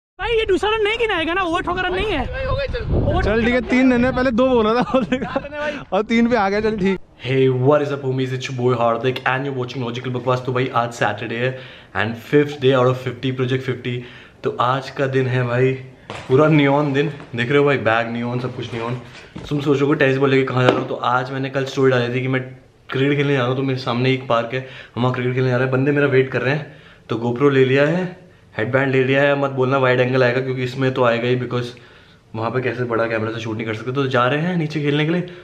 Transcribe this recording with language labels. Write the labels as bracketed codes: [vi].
[hi] भाई ये दूसरा रन नहीं गिनाएगा ना, ओवर ठोकर रन नहीं है। चल ठीक है, तीन रन है, पहले दो बोल रहा था और तीन पे आ गया। चल ठीक। [en] Hey, what is up, homies? It's your boy Hardik, and you're watching Logical Bakwas. [hi] तो भाई आज Saturday है [en] and fifth day out of 50 Project 50. [hi] तो आज का दिन है भाई पूरा neon दिन, देख रहे हो भाई, bag neon, सब कुछ neon. तुम सोचोगे टेनिस बॉल लेके कहाँ जा रहा हूँ, तो आज मैंने कल story डाली थी कि मैं क्रिकेट खेलने जा रहा हूँ, तो मेरे सामने एक पार्क है, हम वहाँ क्रिकेट खेलने जा रहे हैं, बंदे मेरा वेट कर रहे हैं, तो GoPro ले लिया है, हेडबैंड ले लिया है, मत बोलना वाइड एंगल आएगा क्योंकि इसमें तो आएगा ही, बिकॉज वहाँ पे कैसे बड़ा कैमरा से शूट नहीं कर सकते, तो जा रहे हैं नीचे खेलने के लिए।